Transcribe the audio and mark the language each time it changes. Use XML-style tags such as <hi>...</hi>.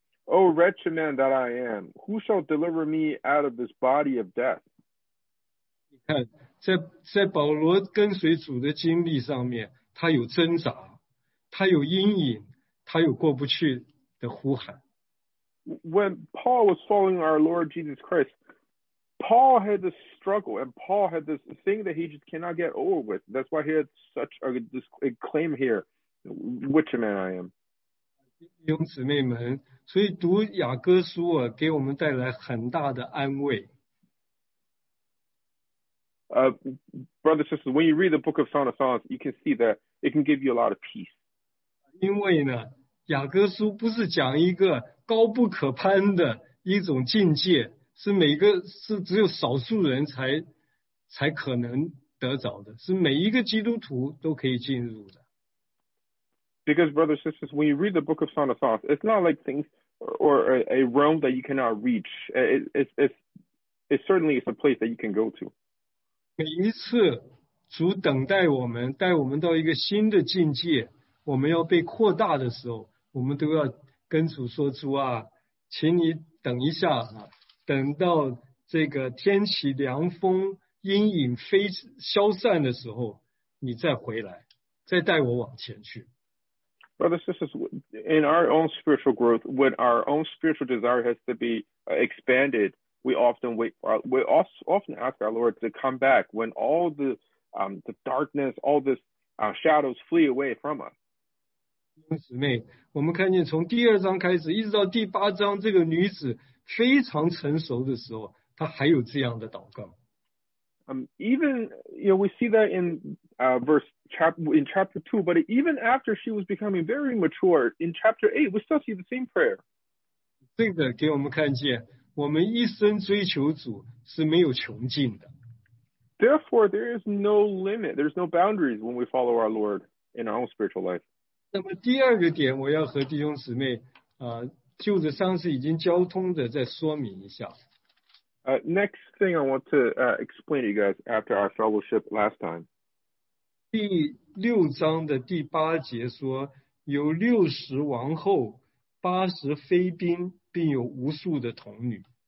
<en>O wretched man that I am, who shall deliver me out of this body of death?</en> <zh>你看，在保罗跟随主的经历上面。他有挣扎，他有阴影，他有过不去的呼喊。</zh> <en>When Paul was following our Lord Jesus Christ, Paul had this struggle, and Paul had this thing that he just cannot get over with. That's why he had such a claim here, which man I am.</en> <zh>弟兄姊妹们，所以读雅各书啊，给我们带来很大的安慰。</zh> <en>Brothers and sisters, when you read the book of Song of Songs, you can see that it can give you a lot of peace.</en> <zh>因为呢，雅各书不是讲一个高不可攀的一种境界，是每个是只有少数人才可能得着的，是每一个基督徒都可以进入的。</zh> <en>Because brothers and sisters, when you read the book of Song of Songs, it's not like things or a realm that you cannot reach. It certainly is a place that you can go to.</en> <zh>每一次主等待我们，带我们到一个新的境界，我们要被扩大的时候，我们都要跟主说：“主啊，请你等一下啊，等到这个天起凉风，阴影飞消散的时候，你再回来，再带我往前去。”</zh> <en>Brothers and sisters, in our own spiritual growth, when our own spiritual desire has to be expanded, we often wait for, we often ask our Lord to come back when all the darkness, all this shadows flee away from us.</en> <zh>姊妹, 我们看见, 从第二章开始, 一直到第八章, 这个女子, 非常成熟的时候, 她还有这样的祷告。</zh> <en>Even, you know, we see that in chapter 2, but even after she was becoming very mature, in chapter 8, we still see the same prayer.</en> <zh>这个给我们看见, 我们一生追求主, 是没有穷尽的。</zh> <en>Therefore, there is no limit, there's no boundaries when we follow our Lord in our own spiritual life.</en> <zh>那么第二个点我要和弟兄姊妹, 就着上次已经交通的再说明一下。</zh> <en>Next thing I want to explain to you guys after our fellowship last time.</en> <zh>第六章的第八节说, 有60王后, 80妃嫔, 并有无数的童女。</zh>